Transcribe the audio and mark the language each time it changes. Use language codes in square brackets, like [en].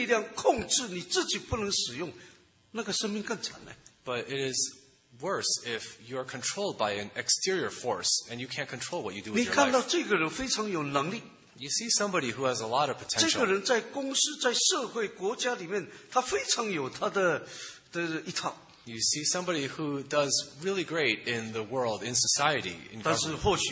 [zh] 但是如果你是被外来的某一种力量控制，你自己不能使用, 那个生命更惨呢。 [en] But it is worse if you are controlled by an exterior force and you can't control what you do with your life. [zh] 你看到这个人非常有能力。 [en] You see somebody who has a lot of potential. [zh] 这个人在公司、在社会、国家里面，他非常有他的一套。 [en] You see somebody who does really great in the world, in society, in government.